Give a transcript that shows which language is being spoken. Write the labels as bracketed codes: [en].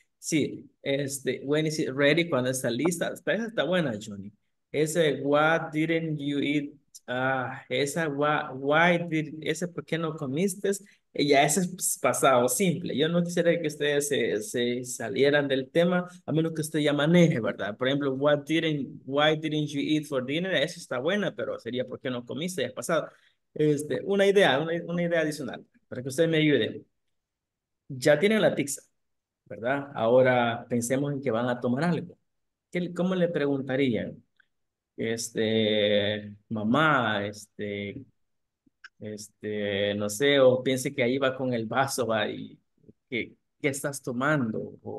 [es] Sí, este, [en] when is it ready, [es] cuando está lista, esa está buena, Johnny. Ese, [en] what didn't you eat, [es] esa, [en] why did, [es] ese, ¿por qué no comiste? Ya ese es pasado simple. Yo no quisiera que ustedes se salieran del tema, a menos que usted ya maneje, ¿verdad? Por ejemplo, [en] why didn't you eat for dinner? [es] Eso está buena, pero sería ¿por qué no comiste? Ya es pasado. Este, una idea adicional para que usted me ayude. Ya tienen la pizza, ¿verdad? Ahora pensemos en que van a tomar algo. ¿Cómo le preguntarían? Este, mamá, este, no sé, o piense que ahí va con el vaso, va, y ¿qué estás tomando?